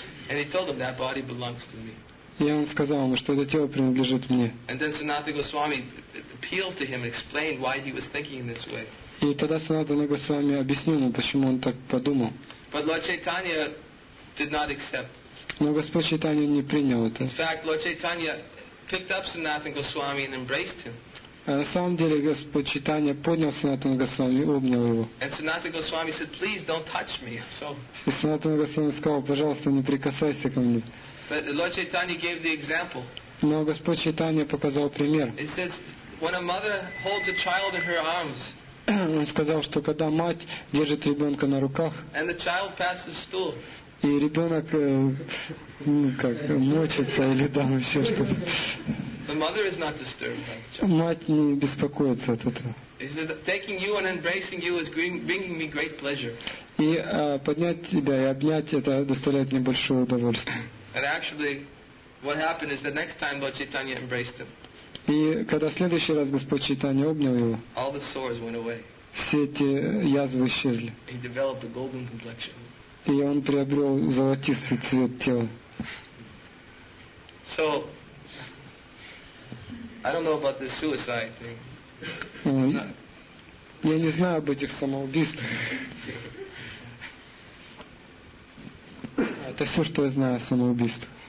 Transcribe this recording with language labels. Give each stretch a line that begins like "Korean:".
English: And he told him that body belongs to me.
Russian: И он сказал ему, что это тело принадлежит мне.
English: And then Sanatana Goswami appealed to him, explained why he was thinking in this way.
Russian: И тогда Санатана Госвами объяснил ему, почему он так подумал.
English: But Lord Chaitanya did not accept.
Russian: Но Господь Чайтанья не принял это.
English: In fact, Lord Chaitanya picked up Sanatana Goswami and embraced him.
Russian: А на самом деле Господь Чайтанья поднял Санатана Госвами и обнял его.
English: And Sanatana Goswami said, "Please don't touch me." So.
Russian: И Санатана Госвами сказал, пожалуйста, не прикасайся ко мне.
English: But Lord Chaitanya gave the example.
Russian: Но Господь Чайтанья показал пример.
English: It says, when a mother holds a child in her arms.
Russian: Он сказал, что когда мать держит ребенка на руках.
English: And the child passes stool.
Russian: И ребенок, мочится или там еще что-то.
English: The mother is not disturbed by the child.
Russian: Мать не беспокоится от этого.
English: He said, taking you and embracing you is bringing me great pleasure.
Russian: И поднять тебя и обнять это доставляет мне большое удовольствие.
English: And actually, what happened is the next time Lord Chaitanya embraced him.
Russian: И когда в следующий раз Господь Чайтанья обнял его.
English: All the sores went away.
Russian: Все эти язвы исчезли.
English: He developed a golden complexion.
Russian: И он приобрел золотистый цвет тела.
English: So, I don't know about this suicide thing.
Russian: Я не знаю об этих самоубийствах. Это все, что я знаю о самоубийстве.